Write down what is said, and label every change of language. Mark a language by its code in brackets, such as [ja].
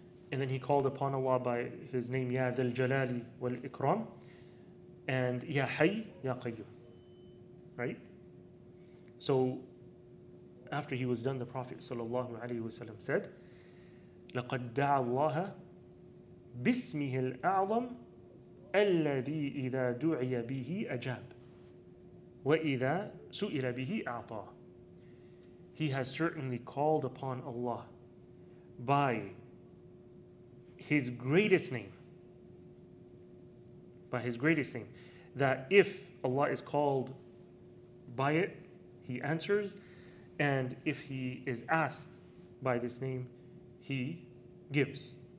[en] And then he called upon Allah by his name, Ya Dhal Jalali wal-Ikram, and Ya Hayy, Ya Qayyum. Right? So, after he was done, the Prophet sallallahu alaihi wasallam said, [ar] لَقَدْ دَعَ اللَّهَ بِاسْمِهِ الْأَعْظَمِ الَّذِي إِذَا دُعِيَ بِهِ أَجَابَ وَإِذَا سُئِلَ بِهِ أَعْطَى. [en] He has certainly called upon Allah by his greatest name. By his greatest name. That if Allah is called by it, he answers. And if he is asked by this name, he gives.